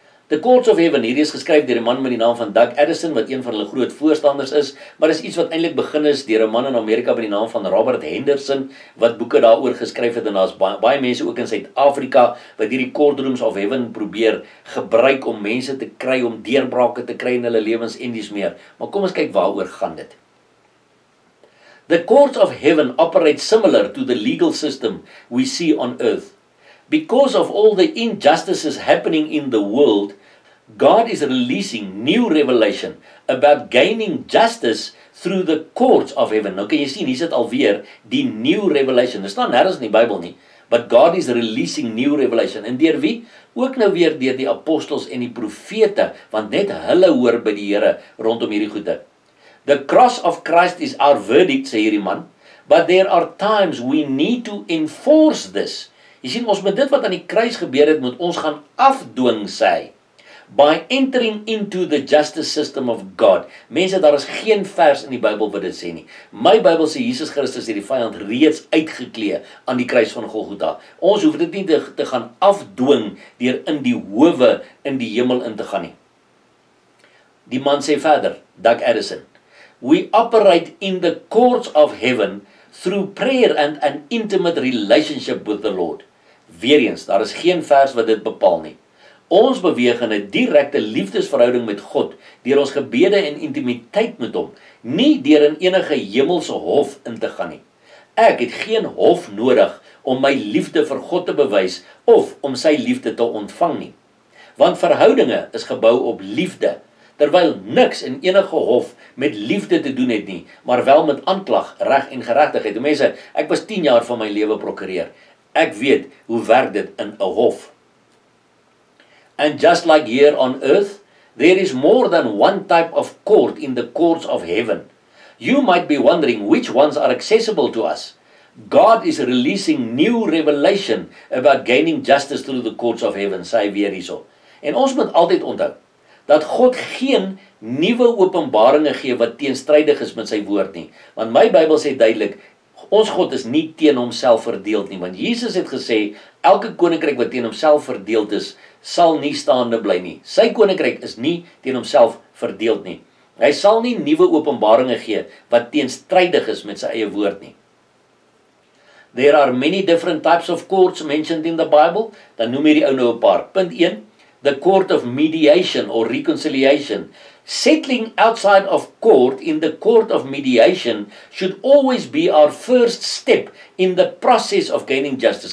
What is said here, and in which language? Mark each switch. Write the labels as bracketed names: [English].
[Afrikaans] The Courts of Heaven, hierdie is geskryf deur 'n man met die naam van Doug Addison, wat een van hulle groot voorstanders is, maar is iets wat eintlik begin is deur 'n man in Amerika met die naam van Robert Henderson, wat boeke daaroor geskryf het, en daar's baie mense ook in Suid-Afrika wat hierdie Court Rooms of Heaven probeer gebruik om mense te kry, om deurbrake te kry in hulle lewens en dies meer. Maar kom ons kyk waaroor gaan dit. [English] The Courts of Heaven operate similar to the legal system we see on earth. Because of all the injustices happening in the world, God is releasing new revelation about gaining justice through the courts of heaven. [Afrikaans] Nou kan jy sien, hier sit alweer die new revelation. Dit staan nêrens in die Bybel nie. [English] But God is releasing new revelation. [Afrikaans] En deur wie? Ook nou weer deur die apostels en die profete, want net hulle hoor by die Here rondom hierdie goede. [English] The cross of Christ is our verdict, [Afrikaans] sê hierdie man. [English] But there are times we need to enforce this. [Afrikaans] Jy sien, ons met dit wat aan die kruis gebeur het, moet ons gaan afdwing sê, [English] by entering into the justice system of God. [Afrikaans] Mense, daar is geen vers in die Bybel wat dit sê nie. My Bybel sê, Jesus Christus het die vyand reeds uitgeklee aan die kruis van Golgotha. Ons hoef dit nie te gaan afdwing, deur in die howe in die hemel in te gaan nie. Die man sê verder, [English] Doug Addison, we operate in the courts of heaven, through prayer and an intimate relationship with the Lord. [Afrikaans] Weer eens, daar is geen vers wat dit bepaal nie. Ons beweeg in 'n direkte liefdesverhouding met God deur ons gebede en intimiteit met hom, nie deur in enige hemelse hof in te gaan nie. Ek het geen hof nodig om my liefde vir God te bewys of om sy liefde te ontvang nie. Want verhoudinge is gebou op liefde, terwyl niks in enige hof met liefde te doen het nie, maar wel met aanklag, reg en geregtigheid. Mense, ek was 10 jaar van my lewe prokureur. Ek weet hoe werk dit in 'n hof. [English] And just like here on earth, there is more than one type of court in the courts of heaven. You might be wondering which ones are accessible to us. God is releasing new revelation about gaining justice through the courts of heaven, [Afrikaans] sê hy weer hierso. En ons moet altyd onthou, dat God geen nuwe openbaringe gee wat teenstrydig is met sy woord nie. Want my Bybel sê duidelik, ons God is nie teen homself verdeeld nie. Want Jesus het gesê, elke koninkryk wat teen homself verdeeld is, sal nie staande bly nie. Sy koninkryk is nie teen homself verdeeld nie. Hy sal nie nuwe openbaringe gee wat teenstrydig is met sy eie woord nie. [English] There are many different types of courts mentioned in the Bible. [Afrikaans] Dan noem hierdie ou nou 'n paar. Punt 1. [English] The court of mediation or reconciliation. Settling outside of court in the court of mediation should always be our first step in the process of gaining justice.